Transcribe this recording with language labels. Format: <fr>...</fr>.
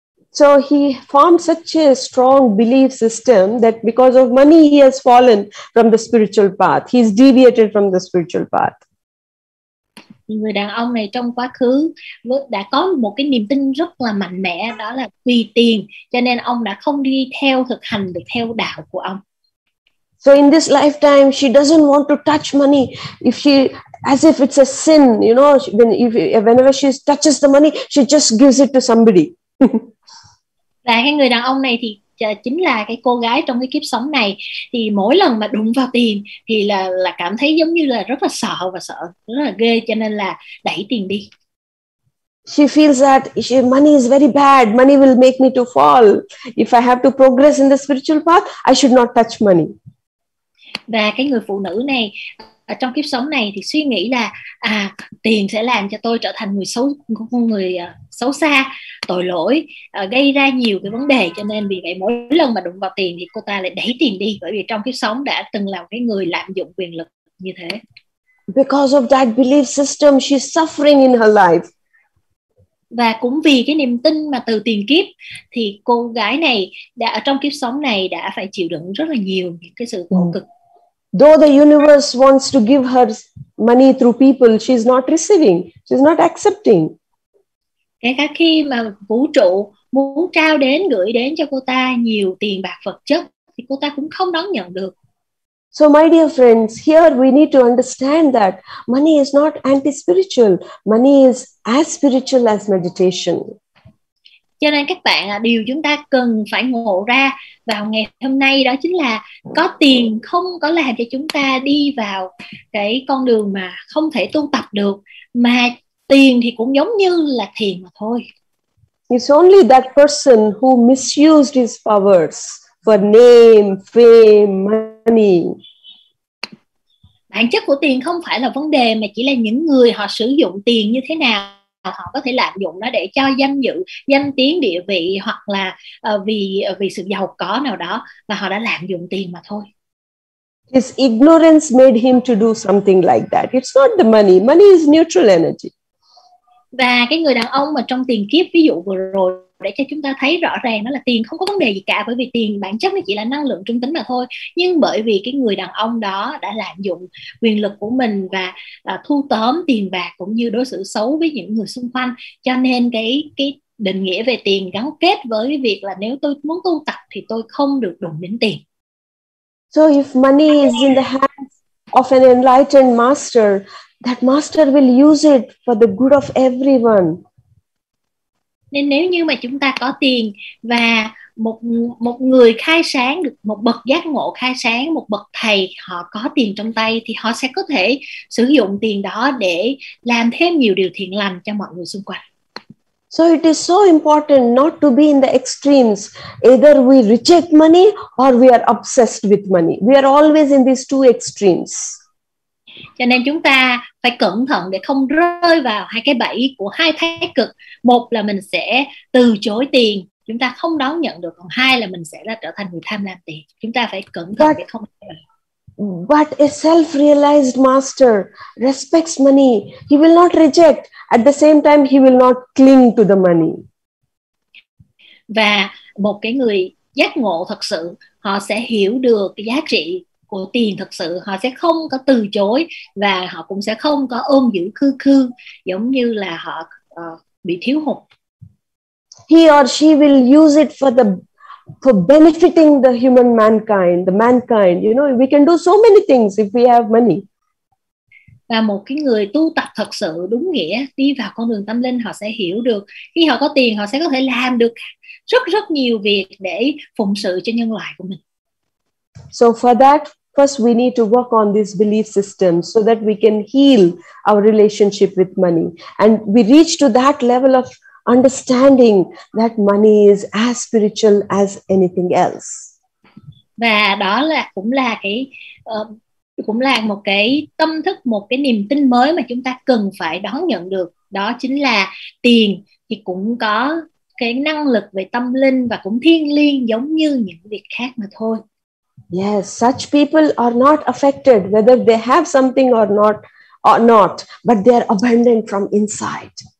<en>So he formed such a strong belief system that because of money he has fallen from the spiritual path. He's deviated from the spiritual path.</en> <vi>Người đàn ông này trong quá khứ đã có một cái niềm tin rất là mạnh mẽ, đó là vì tiền cho nên ông đã không đi theo thực hành được theo đạo của ông.</vi> <en>So in this lifetime she doesn't want to touch money, if she as if it's a sin, you know, whenever she touches the money she just gives it to somebody.</en> <vi>Và cái người đàn ông này thì chính là cái cô gái trong cái kiếp sống này, thì mỗi lần mà đụng vào tiền thì là cảm thấy giống như là rất là sợ, và sợ rất là ghê, cho nên là đẩy tiền đi.</vi> <en>She feels that money is very bad, money will make me to fall, if I have to progress in the spiritual path I should not touch money.</en> <vi>Và cái người phụ nữ này ở trong kiếp sống này thì suy nghĩ là tiền sẽ làm cho tôi trở thành người xấu xa, tội lỗi, gây ra nhiều cái vấn đề, cho nên vì vậy mỗi lần mà đụng vào tiền thì cô ta lại đẩy tiền đi, bởi vì trong kiếp sống đã từng là một cái người lạm dụng quyền lực như thế.</vi> <en>Because of that belief system she's suffering in her life.</en> <vi>Và cũng vì cái niềm tin mà từ tiền kiếp thì cô gái này đã ở trong kiếp sống này đã phải chịu đựng rất là nhiều những cái sự khổ cực.</vi> <en>Though the universe wants to give her money through people, she's not receiving, she's not accepting.</en> <vi>Kể cả khi mà vũ trụ muốn trao đến, gửi đến cho cô ta nhiều tiền bạc vật chất thì cô ta cũng không đón nhận được.</vi> <en>So my dear friends, here we need to understand that money is not anti-spiritual, money is as spiritual as meditation.</en> <vi>Cho nên các bạn, điều chúng ta cần phải ngộ ra vào ngày hôm nay đó chính là có tiền không có làm cho chúng ta đi vào cái con đường mà không thể tu tập được, mà tiền thì cũng giống như là thiền mà thôi.</vi> <en>It's only that person who misused his powers for name, fame, money.</en> <vi>Bản chất của tiền không phải là vấn đề, mà chỉ là những người họ sử dụng tiền như thế nào. Họ có thể lạm dụng nó để cho danh dự, danh tiếng, địa vị, hoặc là vì sự giàu có nào đó, mà họ đã lạm dụng tiền mà thôi.</vi> <en>His ignorance made him to do something like that. It's not the money. Money is neutral energy.</en> <vi>Và cái người đàn ông mà trong tiền kiếp, ví dụ vừa rồi, để cho chúng ta thấy rõ ràng đó là tiền không có vấn đề gì cả, bởi vì tiền bản chất nó chỉ là năng lượng trung tính mà thôi. Nhưng bởi vì cái người đàn ông đó đã lạm dụng quyền lực của mình và thu tóm tiền bạc cũng như đối xử xấu với những người xung quanh, cho nên cái định nghĩa về tiền gắn kết với việc là nếu tôi muốn tu tập thì tôi không được đụng đến tiền.</vi> <en>So if money is in the hands of an enlightened master, that master will use it for the good of everyone.</en> <vi>Nên nếu như mà chúng ta có tiền và một người khai sáng, được một bậc giác ngộ khai sáng, một bậc thầy họ có tiền trong tay, thì họ sẽ có thể sử dụng tiền đó để làm thêm nhiều điều thiện lành cho mọi người xung quanh.</vi> <en>So it is so important not to be in the extremes. Either we reject money or we are obsessed with money. We are always in these two extremes.</en> <vi>Cho nên chúng ta phải cẩn thận để không rơi vào hai cái bẫy của hai thái cực. Một là mình sẽ từ chối tiền, chúng ta không đón nhận được. Còn hai là mình sẽ là trở thành người tham lam tiền. Chúng ta phải cẩn thận để không.</vi> <en>But a self-realized master respects money. He will not reject. At the same time, he will not cling to the money.</en> <vi>Và một cái người giác ngộ thật sự, họ sẽ hiểu được cái giá trị của tiền thật sự, họ sẽ không có từ chối và họ cũng sẽ không có ôm giữ khư khư giống như là họ bị thiếu hụt.</vi> <en>He or she will use it for benefiting the human mankind, the mankind. You know, we can do so many things if we have money.</en> <vi>Và một cái người tu tập thật sự đúng nghĩa, đi vào con đường tâm linh, họ sẽ hiểu được khi họ có tiền họ sẽ có thể làm được rất rất nhiều việc để phụng sự cho nhân loại của mình.</vi> <en>So for that, First, we need to work on this belief system so that we can heal our relationship with money. And we reach to that level of understanding that money is as spiritual as anything else.</en> <vi>Và đó là cũng là cái cũng là một cái tâm thức, một cái niềm tin mới mà chúng ta cần phải đón nhận được. Đó chính là tiền thì cũng có cái năng lực về tâm linh và cũng thiêng liêng giống như những việc khác mà thôi.</vi> <en>Yes, such people are not affected whether they have something or not, but they are abundant from inside.</en>